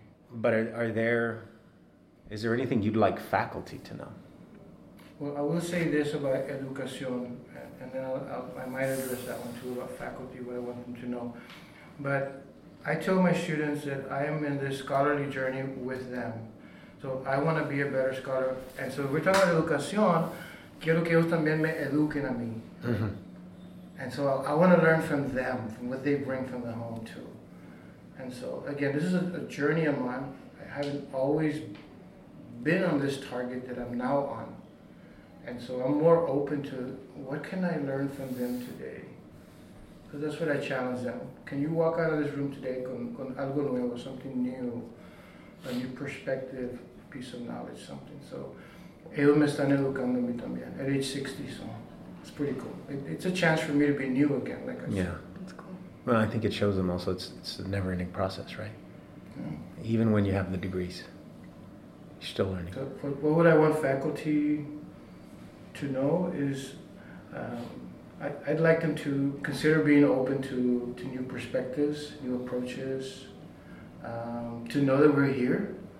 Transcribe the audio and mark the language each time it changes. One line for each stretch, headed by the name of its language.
English: But is there anything you'd like faculty to know? Well, I will say this about education, and then I might address that one too about faculty, what I want them to know. But I tell my students that I am in this scholarly journey with them. So I want to be a better scholar. And so if we're talking about education,
Spanish: quiero que ellos también me eduquen a mí.
English: And so I want to learn from them, from what they bring from the home too. And so again, this is a journey I'm on. I haven't always been on this target that I'm now on. And so I'm more open to what can I learn from them today? So that's what I challenge them. Can you walk out of this room today
Spanish: con algo nuevo,
English: something new, a new perspective, piece of knowledge, something? So
Spanish: ellos me están educando a mí también
English: at age 60, so it's pretty cool. It's a chance for me to be new again, like I said. Yeah, that's cool. Well, I think it shows them also it's a never-ending process, right? Yeah. Even when you have the degrees, you're still learning. So what would I want faculty to know is I'd like them to consider being open to new perspectives, new approaches, to know that we're here.